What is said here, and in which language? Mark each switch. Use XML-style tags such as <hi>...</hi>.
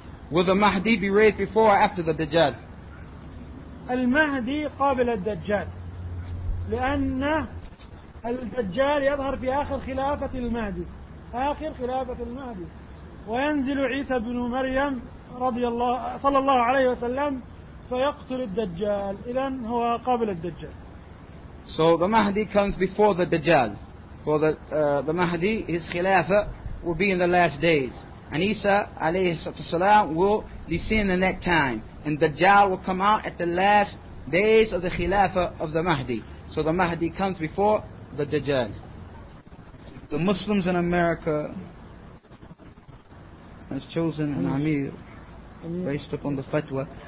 <en>Will the Mahdi be raised before or after the Dajjal?</en> <ar>Al-Mahdi qabla al-Dajjal. Lianna الدجال يظهر في آخر خلافة المهدي، آخر خلافة المهدي، وينزل عيسى بن مريم رضي الله صلى الله عليه وسلم، فيقتل الدجال. إذن هو قبل الدجال.</ar> <en>So the Mahdi comes before the Dajjal. For the Mahdi, his khilafah will be in the last days, and Isa عليه الصلاة will descend in that time, and Dajjal will come out at the last days of the khilafah of the Mahdi. So the Mahdi comes before the Dajjal. The Muslims in America has chosen an Amir based upon the fatwa.</en>